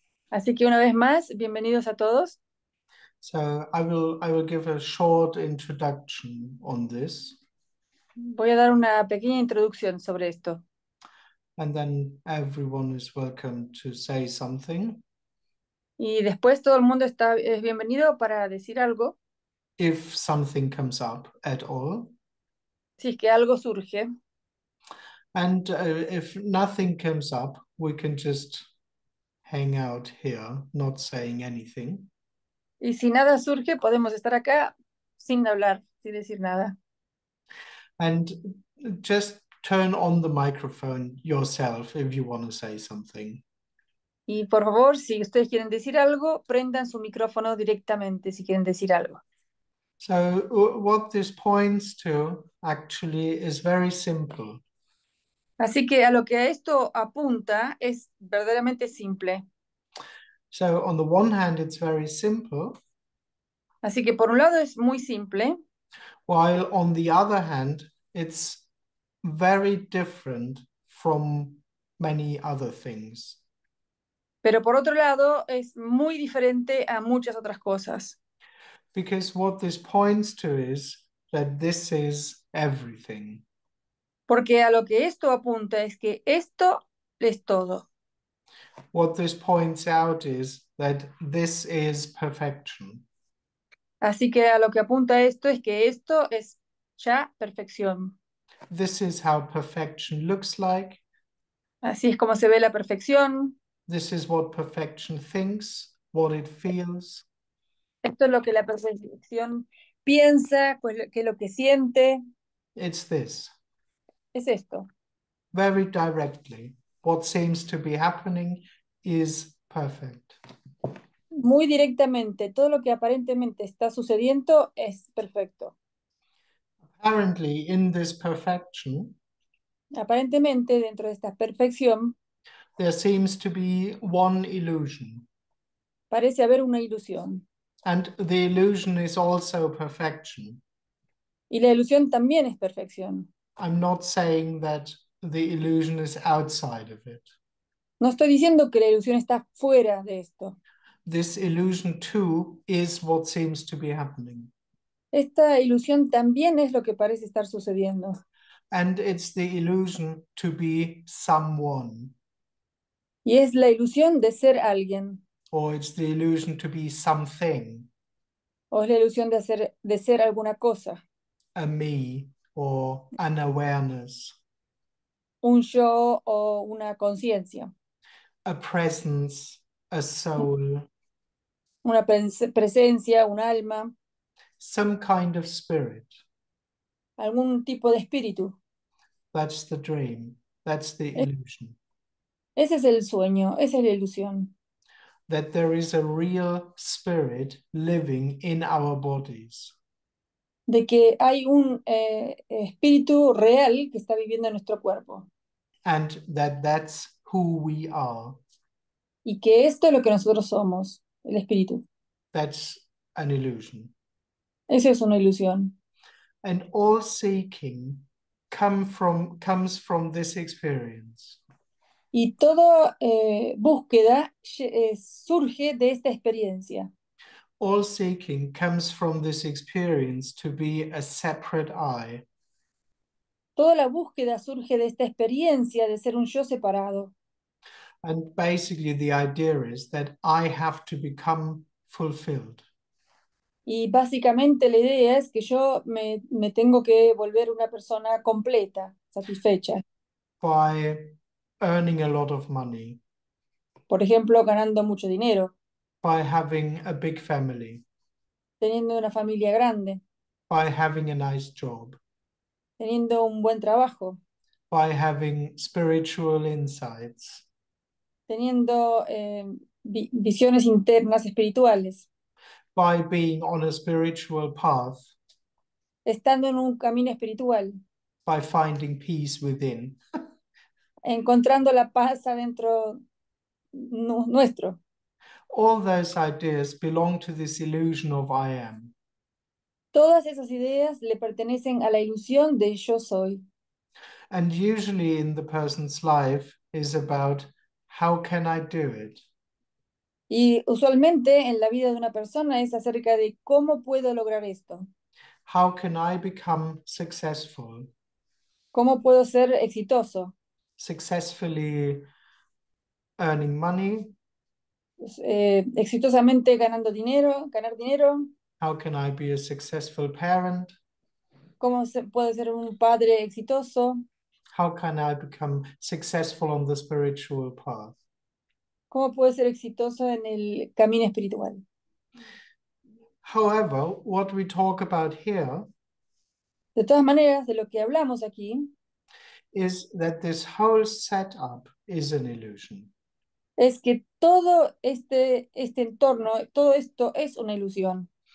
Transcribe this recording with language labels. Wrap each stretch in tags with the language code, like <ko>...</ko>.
<es>Así que una vez más, bienvenidos a todos.</es> <en>So I will give a short introduction on this.</en> <es>Voy a dar una pequeña introducción sobre esto.</es> <en>And then everyone is welcome to say something.</en> <es>Y después todo el mundo es bienvenido para decir algo.</es> <en>If something comes up at all.</en> <es>Si es que algo surge.</es> <en>And if nothing comes up, we can just hang out here, not saying anything.</en> <es>Y si nada surge, podemos estar acá sin hablar, sin decir nada.</es> <en>And just turn on the microphone yourself if you want to say something.</en> <es>Y por favor, si ustedes quieren decir algo, prendan su micrófono directamente si quieren decir algo.</es> <en>So what this points to actually is very simple.</en> <es>Así que a lo que esto apunta es verdaderamente simple.</es> <en>So on the one hand, it's very simple,</en> <es>Así que por un lado es muy simple.</es> <en>while on the other hand, it's very different from many other things.</en> <es>Pero por otro lado es muy diferente a muchas otras cosas.</es> <en>Because what this points to is that this is everything.</en> <es>Porque a lo que esto apunta es que esto es todo.</es> <en>What this points out is that this is perfection.</en> <es>Así que a lo que apunta esto es que esto es ya perfección.</es> <en>This is how perfection looks like.</en> <es>Así es como se ve la perfección.</es> <en>This is what perfection thinks, what it feels.</en> <es>Esto es lo que la perfección piensa, pues, que lo que siente.</es> <en>It's this.</en> <es>Es esto.</es> <en>Very directly, what seems to be happening is perfect.</en> <es>Muy directamente, todo lo que aparentemente está sucediendo es perfecto.</es> <en>Apparently, in this perfection,</en> <es>Aparentemente, dentro de esta perfección,</es> <en>there seems to be one illusion.</en> <es>parece haber una ilusión.</es> <en>And the illusion is also perfection.</en> <es>Y la ilusión también es perfección.</es> <en>I'm not saying that the illusion is outside of it.</en> <es>No estoy diciendo que la ilusión está fuera de esto.</es> <en>This illusion too is what seems to be happening.</en> <es>Esta ilusión también es lo que parece estar sucediendo.</es> <en>And it's the illusion to be someone.</en> <es>Y es la ilusión de ser alguien.</es> <en>Or it's the illusion to be something.</en> <es>O es la ilusión de ser alguna cosa.</es> <en>A me or an awareness.</en> <es>Un yo o una conciencia.</es> <en>A presence, a soul,</en> <es>Una presencia, un alma,</es> <en>some kind of spirit.</en> <es>algún tipo de espíritu.</es> <en>That's the dream, that's the illusion.</en> <es>Ese es el sueño, esa es la ilusión.</es> <en>That there is a real spirit living in our bodies.</en> <es>De que hay un espíritu real que está viviendo en nuestro cuerpo.</es> <en>And that's who we are.</en> <es>Y que esto es lo que nosotros somos. El espíritu.</es> <en>That's an illusion.</en> <es>Esa es una ilusión.</es> <en>And all seeking comes from this experience.</en> <es>Y toda búsqueda surge de esta experiencia.</es> <en>All seeking comes from this experience to be a separate I.</en> <es>Toda la búsqueda surge de esta experiencia de ser un yo separado.</es> <en>And basically, the idea is that I have to become fulfilled.</en> <es>Y básicamente la idea es que yo me tengo que volver una persona completa, satisfecha.</es> <en>By earning a lot of money.</en> <es>Por ejemplo, ganando mucho dinero.</es> <en>By having a big family.</en> <es>Teniendo una familia grande.</es> <en>By having a nice job.</en> <es>Teniendo un buen trabajo.</es> <en>By having spiritual insights.</en> <es>Teniendo vi visiones internas espirituales.</es> <en>By being on a spiritual path,</en> <es>Estando en un camino espiritual,</es> <en>by finding peace within.</en> <es>encontrando la paz adentro nuestro.</es> <en>All those ideas belong to this illusion of I am.</en> <es>Todas esas ideas le pertenecen a la ilusión de yo soy.</es> <en>And usually in the person's life is about how can I do it?</en> <es>Y usualmente en la vida de una persona es acerca de cómo puedo lograr esto.</es> <en>How can I become successful?</en> <es>¿Cómo puedo ser exitoso?</es> <en>Successfully earning money.</en> <es>Exitosamente ganando dinero, ganar dinero.</es> <en>How can I be a successful parent?</en> <es>¿Cómo puedo ser un padre exitoso?</es> <en>How can I become successful on the spiritual path?</en> <es>¿Cómo puedo ser exitoso en el camino espiritual?</es> <en>However, what we talk about here</en> <es>De todas maneras, de lo que hablamos aquí,</es> <en>is that this whole setup is an illusion.</en> <es>es que todo este entorno, todo esto es una ilusión.</es>